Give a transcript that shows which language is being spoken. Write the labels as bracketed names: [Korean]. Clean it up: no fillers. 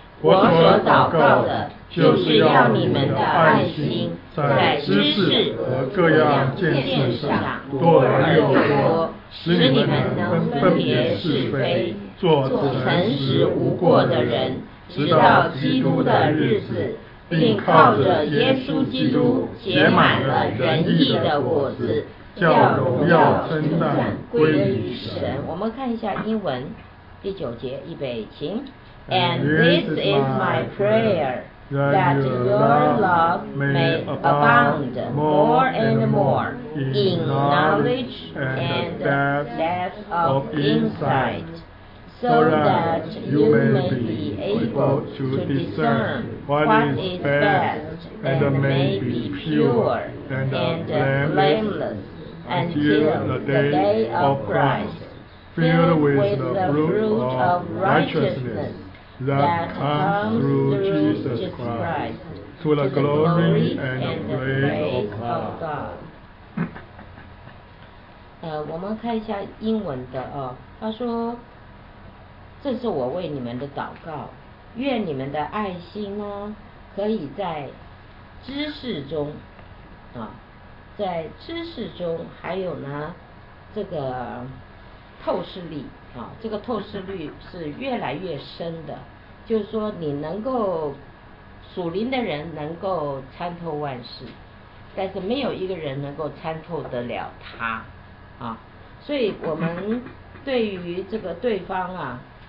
[Chinese] 我所祷告的，就是要你们的爱心在知识和各样见识上多而又多，使你们能分别是非，做诚实无过的人，直到基督的日子。并靠着耶稣基督结满了仁义的果子，叫荣耀称赞归于神。我们看一下英文第九节，预备起。 [English] And this is my prayer that your love may abound more and more in knowledge and depth of insight. So that you may be able to discern what is best and may be pure and blameless until the day of Christ, filled with the fruit of righteousness that comes through Jesus Christ to the glory and the praise of God. [Chinese] 我们看一下英文的哦，他说这是我为你们的祷告，愿你们的爱心呢，可以在知识中，啊，在知识中，还有呢，这个透视力，啊，这个透视率是越来越深的，就是说你能够属灵的人能够参透万事，但是没有一个人能够参透得了他，啊，所以我们对于这个对方啊。